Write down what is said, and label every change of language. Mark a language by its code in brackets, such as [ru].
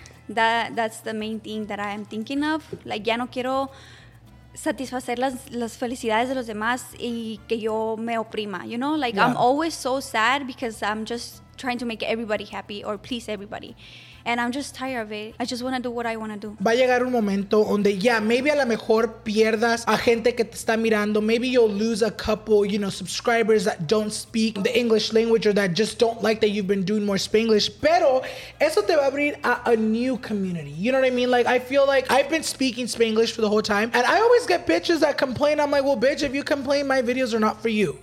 [es] That's the main thing that I am thinking of. Like, ya no quiero satisfacer las felicidades de los demás y que yo me oprima, you know? [en] Like, yeah. I'm always so sad because I'm just trying to make everybody happy or please everybody. And I'm just tired of it. I just want to do what I want to do. [es] Va a llegar un momento donde, yeah, maybe a lo mejor pierdas a gente que te está mirando. [en] Maybe you'll lose a couple, you know, subscribers that don't speak the English language or that just don't like that you've been doing more Spanglish. Pero eso te va a abrir a new community. You know what I mean? Like, I feel like I've been speaking Spanglish for the whole time. And I always get bitches that complain. I'm like, well, bitch, if you complain, my videos are not for you.